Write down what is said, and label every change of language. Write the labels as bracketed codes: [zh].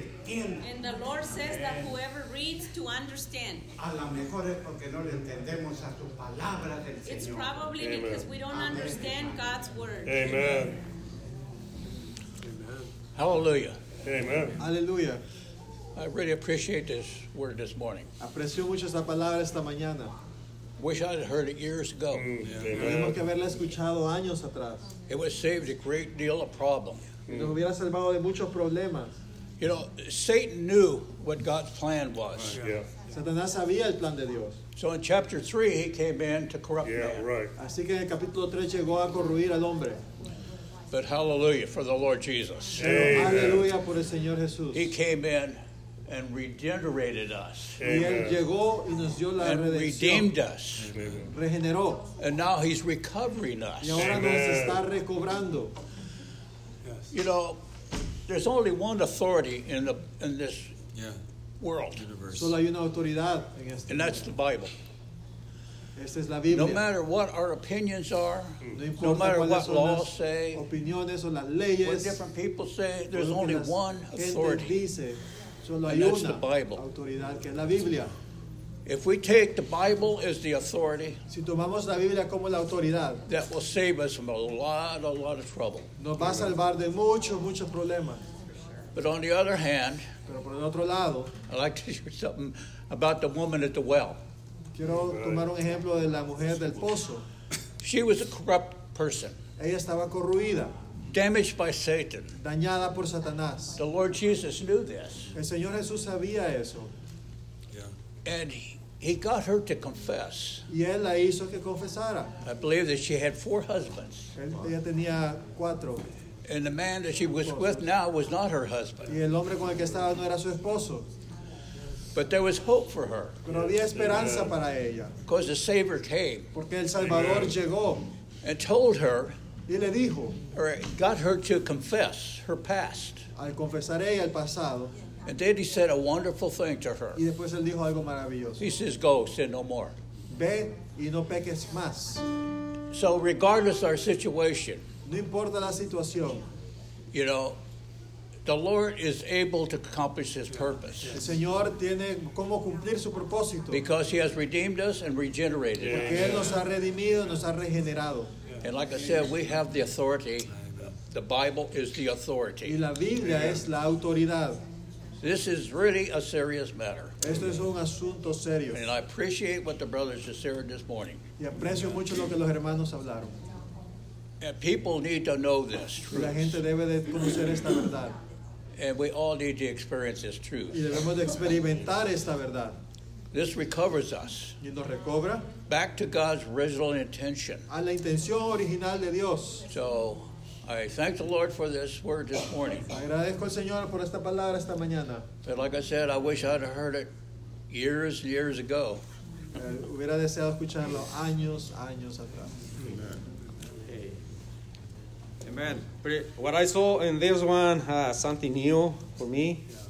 [en] And the Lord says that whoever reads to understand. [es] A lo mejor es porque no le entendemos a tu palabra del Señor. [en] It's probably Amen. Because we don't Amen. Understand God's word. Amen. Amen. Hallelujah. Amen. Hallelujah. I really appreciate this word this morning. [es] Aprecio mucho esta palabra esta mañana. [en] Wish I had heard it years ago. [es] Tenemos que haberla escuchado años atrás. [en] It would have saved a great deal of problems. [es] Nos hubiera salvado de muchos problemas. [en] You know, Satan knew what God's plan was. [es] Satanás sabía el plan de Dios. [en] So in chapter 3 he came in to corrupt man. [es] Así que en el capítulo 3 llegó a corruir al hombre. [en] But hallelujah for the Lord Jesus. [es] Hallelujah por el Señor Jesús. [en] He came in and regenerated us. [es] Y él llegó y nos dio la [en] and [es] redención. [en] Redeemed us. [es] Regeneró. [en] And now he's recovering us. [es] Y ahora nos está recobrando. [en] You know, there's only one authority in the in this world. [es] Universe. Solo hay una autoridad en este [en] and that's the Bible. [es] Esta es la Biblia. [en] No matter what our opinions are, no matter what laws [es] las [en] say, [es] opiniones o las leyes, [en] what different people say, there's only one authority. [es] Dice, solo [en] and [es] hay [en] that's [es] una [en] the Bible. [es] Autoridad, que es la Biblia. [en] If we take the Bible as the authority, [es] si tomamos la Biblia como la autoridad, [en] that will save us from a lot of trouble. [es] Nos va a salvar de muchos problemas. [en] But on the other hand, [es] pero por el otro lado, [en] I like to hear something about the woman at the well. [es] Quiero tomar un ejemplo de la mujer del pozo. [en] She was a corrupt person. [es] Ella estaba corruida. [en] Damaged by Satan. [es] Dañada por Satanás. [en] The Lord Jesus knew this. [es] El Señor Jesús sabía eso. [en] And he got her to confess. [es] Y él la hizo que confesara. [en] I believe that she had four husbands. [es] Ella tenía cuatro. [en] And the man that she was with now was not her husband. [es] Y el hombre con el que estaba no era su esposo. [en] But there was hope for her. [es] Pero había esperanza para ella. [en] Because the Savior came. [es] Porque el Salvador llegó. [en] And told her. [es] Y le dijo. [en] Or got her to confess her past. [es] Al confesar ella el pasado. [en] And then he said a wonderful thing to her. [es] Y después él dijo algo maravilloso. [en] He says, go, sin no more. [es] Ve y no peques más. [en] So regardless of our situation, [es] no importa la situación, [en] you know, the Lord is able to accomplish his purpose. [es] El Señor tiene cómo cumplir su propósito. [en] Because he has redeemed us and regenerated [es] us. Porque él nos ha redimido, nos ha regenerado. [en] And like I said, we have the authority. The Bible is the authority. [es] Y la Biblia es la autoridad. [en] This is really a serious matter. [es] Esto es un asunto serio. [en] And I appreciate what the brothers just said this morning. [es] Y aprecio mucho lo que los hermanos hablaron. [en] And people need to know this truth. [es] La gente debe de conocer esta verdad. [en] And we all need to experience this truth. [es] Y debemos de experimentar esta verdad. [en] This recovers us. [es] Y nos recobra. [en] Back to God's original intention. [es] A la intención original de Dios. [en] So I thank the Lord for this word this morning. [es] Agradezco al Señor por esta palabra esta mañana. [en] But like I said, I wish I'd heard it years and years ago. [es] Hubiera deseado escucharlo años atrás. [en] Amen. Hey. Amen. What I saw in this one, something new for me.